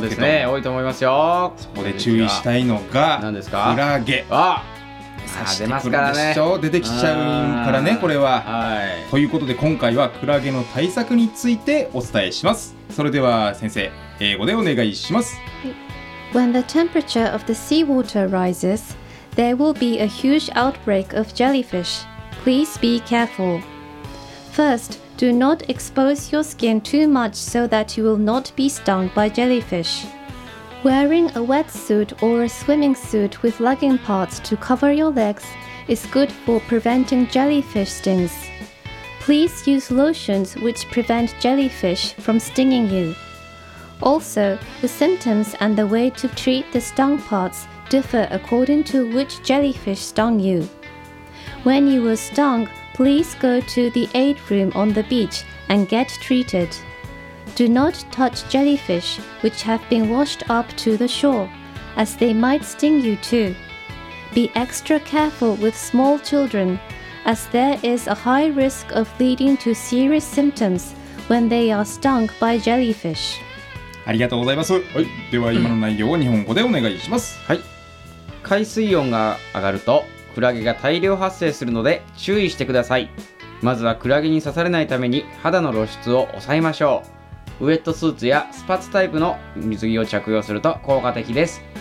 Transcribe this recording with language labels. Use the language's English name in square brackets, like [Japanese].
[Japanese] そうですね、多いと思いますよ。そこで注意したいのが、何ですか？クラゲ。あ、出ますからね。出てきちゃうからね、これは、はい、ということで今回はクラゲの対策についてお伝えします。それでは先生、英語でお願いします。 [English] When the temperature of the seawater rises, there will be a huge outbreak of jellyfish. Please be careful. FirstDo not expose your skin too much so that you will not be stung by jellyfish. Wearing a wetsuit or a swimming suit with legging parts to cover your legs is good for preventing jellyfish stings. Please use lotions which prevent jellyfish from stinging you. Also, the symptoms and the way to treat the stung parts differ according to which jellyfish stung you. When you were stung,Please go to the aid room on the beach and get treated. Do not touch jellyfish which have been washed up to the shore, as they might sting you too. Be extra careful with small children, as there is a high risk of leading to serious symptoms when they are stung by jellyfish. [Japanese] ありがとうございます。はい、では今の内容を日本語でお願いします。はい。海水温が上がるとクラゲが大量発生するので注意してください。まずはクラゲに刺されないために肌の露出を抑えましょう。ウエットスーツやスパッツタイプの水着を着用すると効果的です。